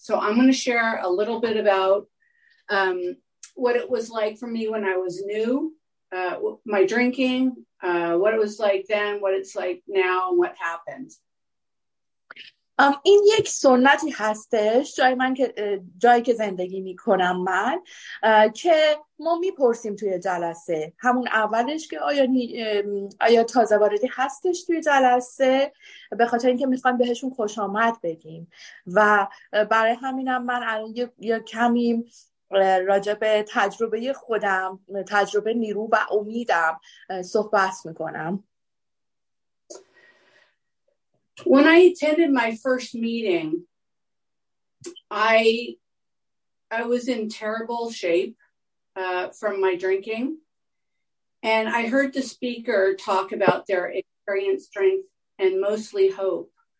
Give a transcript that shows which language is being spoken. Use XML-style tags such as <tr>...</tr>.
<en>So I'm going to share a little bit about what it was like for me when I was new, my drinking, what it was like then, what it's like now, and what happened.</en> <fa>این یک سنتی هستش جایی که زندگی می کنم من، که ما می پرسیم توی جلسه همون اولش که آیا تازه واردی هستش توی جلسه، به خاطر اینکه می خواهیم بهشون خوش آمد بگیم. و برای همینم من الان یه کمی راجع به تجربه خودم، تجربه نیرو و امیدم صحبت می کنم.</fa> <en>When I attended my first meeting, I was in terrible shape from my drinking, and I heard the speaker talk about their experience, strength, and mostly hope.</en>